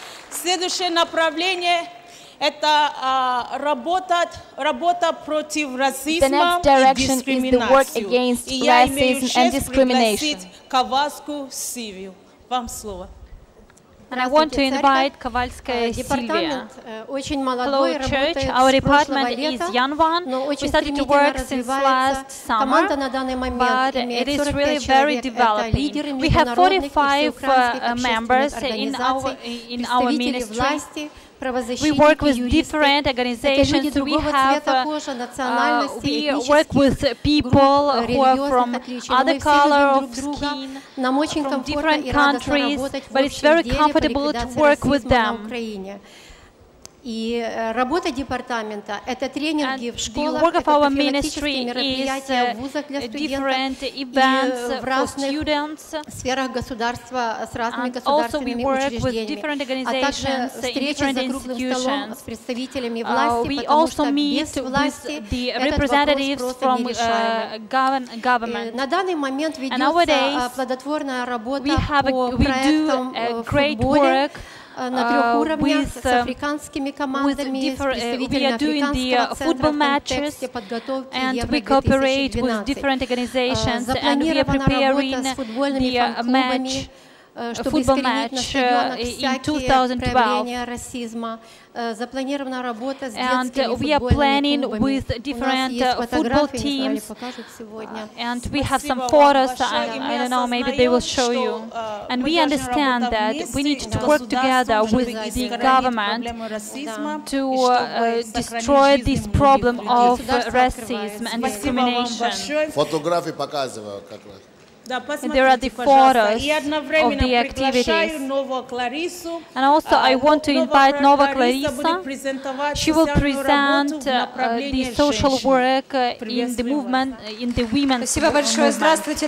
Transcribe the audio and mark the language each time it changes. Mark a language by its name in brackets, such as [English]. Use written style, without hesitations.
[Russian] Следующее направление это работа против расизма и дискриминации. [English] The next direction is the work against racism and discrimination. [Russian] Ковальскую Сильвию. Вам слово. [English] And I want to invite Ковальская Сильвия. Hello, Church. Our department is young one. We started to work since last summer, but it is really very developing. We have 45 members in our ministry. We work with different organizations. We work with people who are from other color of skin, from different countries, but it's very comfortable to work with them. [Russian] И работа департамента — это тренинги в школах, это тематические мероприятия в вузах для студентов и в разных сферах государства с разными государственными учреждениями, а также встречи за круглым столом с представителями власти, потому что без власти этот вопрос просто нерешаемый. На данный момент ведется плодотворная работа по проектам в футболе, на трех уровнях с африканскими командами, с представителями африканского центра в контексте подготовки Евро-2012. Запланирована работа с футбольными фан-клубами, чтобы искоренить на стадионах всякие проявления расизма. Запланирована работа с детскими футбольными клубами. У нас есть фотографии, [English] football teams, [Russian] не знаю, ли покажут сегодня. [English] And we have some photos, I don't know, maybe they will show you. And we understand that we need to work together with the government to destroy this problem of racism and discrimination. [Russian] Фотографии показываю, как вы. [English] And there are the photos of the activities. And also I want to invite Nova Clarissa. She will present the social work in the movement, in the women's movement.